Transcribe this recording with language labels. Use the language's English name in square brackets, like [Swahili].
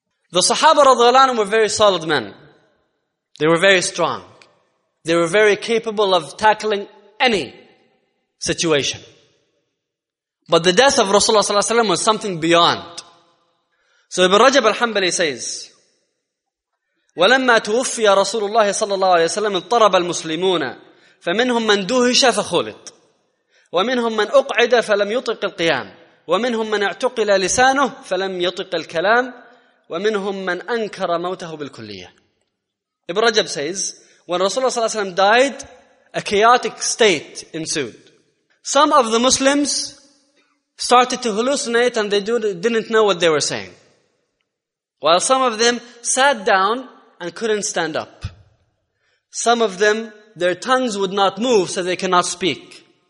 [English] The Sahaba radiallahu anhum were very solid men. They were very strong. They were very capable of tackling any situation. But the death of Rasulullah sallallahu alaihi wasallam was something beyond. So Ibn Rajab al-Hanbali says, [Arabic] وَلَمَّا تُوُفِّيَ رَسُولُ اللَّهِ صَلَّى اللَّهُ عَلَيْهِ وَسَلَّمِ اضْطَرَبَ الْمُسْلِمُونَ فَمِنْهُمْ مَنْ دُوهِشَ فَخُلِطَ وَمِنْهُمْ مَنْ أُقْعِدَ فَلَمْ يُطِقِ الْقِيَامِ وَمِنْهُمْ مَنْ اَعْتُقِلَ لِسَانُهُ فَلَمْ يُطِقِ الْكَلَامِ وَمِنْهُمْ مَنْ أَنْكَرَ مَوْتَهُ بِالْكُلِّيَةِ [English] Ibn Rajab says, when Rasulullah ﷺ died, a chaotic state ensued. Some of the Muslims started to hallucinate and they didn't know what they were saying. While some of them sat down and couldn't stand up. Some of them, their tongues would not move so they cannot speak.